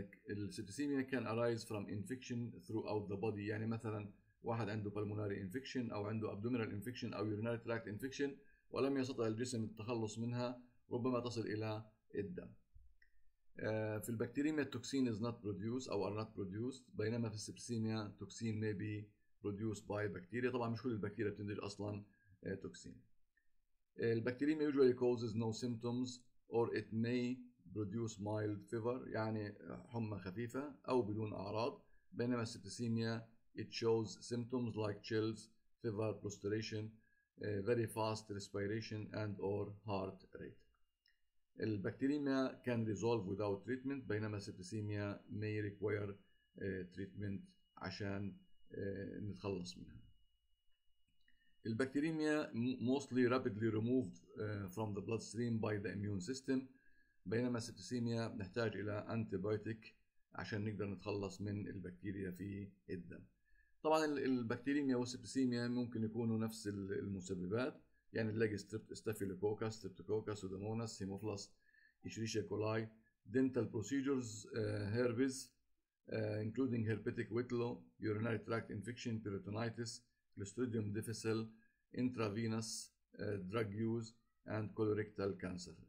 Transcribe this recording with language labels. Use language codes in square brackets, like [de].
[ar] السبتسيميا [en] can arise from infection throughout the body، [ar] يعني مثلا واحد عنده pulmonary infection او عنده abdominal infection او urinary tract infection ولم يستطع الجسم التخلص منها، ربما تصل الى الدم. في البكتيريميا التوكسين [en] is not produced [ar] او are not produced، بينما في السبتسيميا توكسين [en] may be produced by bacteria، [ar] طبعا مش كل البكتيريا بتنتج اصلا توكسين. [en] البكتيريميا usually causes no symptoms or it may produce mild fever، [ar] يعني حمى خفيفة او بدون اعراض، بينما السبتسيميا [en] it shows symptoms like chills, fever, prostration, very fast respiration and or heart rate. [ar] البكتيريميا [en] can resolve without treatment، [ar] بينما السبتسيميا [en] may require treatment [ar] عشان نتخلص منها. البكتيريميا [en] mostly rapidly removed from the bloodstream by the immune system، [ar] بينما السبتسيميا نحتاج إلى antibiotic عشان نقدر نتخلص من البكتيريا في الدم. طبعا البكتيريميا والسبتسيميا ممكن يكونوا نفس المسببات، يعني نلاقي ستافيلوكوكس، ستريبتوكوكس، سودوموناس، هيموفلاس، إشريشيا كولاي، دينتال بروسيجرز، هيربيز، [en] including herpetic whitlow, urinary tract infection, peritonitis, clostridium difficile, intravenous drug use, and colorectal cancer.